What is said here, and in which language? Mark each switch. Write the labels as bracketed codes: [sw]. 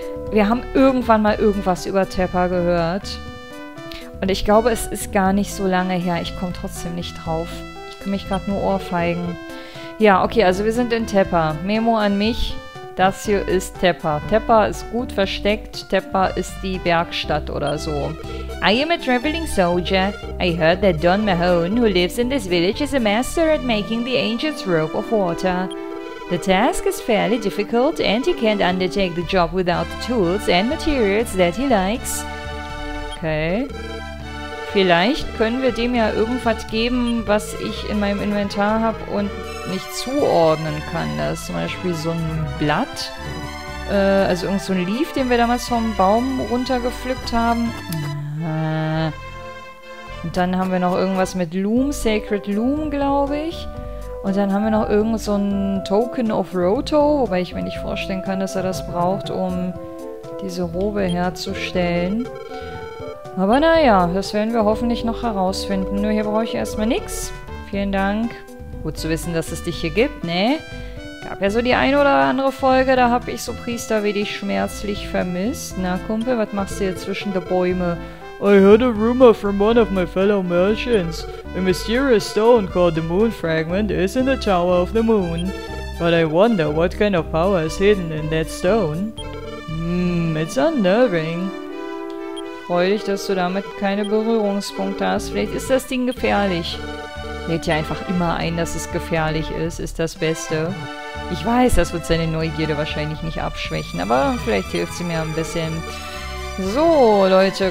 [de] Wir haben irgendwann mal irgendwas über Tepa gehört. Und ich glaube, es ist gar nicht so lange her, ich komme trotzdem nicht drauf. Mich gerade nur Ohrfeigen. Ja, okay, also wir sind in Tepa. Memo an mich, das hier ist Tepa. Tepa ist gut versteckt. Tepa ist die Bergstadt oder so. [en] I am a traveling soldier. I heard that Don Mahone, who lives in this village, is a master at making the ancient rope of water. The task is fairly difficult and he can't undertake the job without the tools and materials that he likes. Okay. [de] Vielleicht können wir dem ja irgendwas geben, was ich in meinem Inventar habe und nicht zuordnen kann. Da ist zum Beispiel so ein Blatt, also irgend so ein Leaf, den wir damals vom Baum runtergepflückt haben. Und dann haben wir noch irgendwas mit Loom, Sacred Loom, glaube ich. Und dann haben wir noch irgend so ein Token of Roto, wobei ich mir nicht vorstellen kann, dass er das braucht, um diese Robe herzustellen. Aber naja, das werden wir hoffentlich noch herausfinden. Nur hier brauche ich erstmal nichts. Vielen Dank. Gut zu wissen, dass es dich hier gibt, ne? Gab ja so die ein oder andere Folge, da habe ich so Priester wie dich schmerzlich vermisst. Na Kumpel, was machst du hier zwischen den Bäumen? [en] I heard a rumor from one of my fellow merchants. A mysterious stone called the Moon Fragment is in the Tower of the Moon. But I wonder what kind of power is hidden in that stone. It's unnerving. [de] Freu dich, dass du damit keine Berührungspunkte hast. Vielleicht ist das Ding gefährlich. Lädt ja einfach immer ein, dass es gefährlich ist. Ist das Beste. Ich weiß, das wird seine Neugierde wahrscheinlich nicht abschwächen. Aber vielleicht hilft sie mir ein bisschen. So, Leute.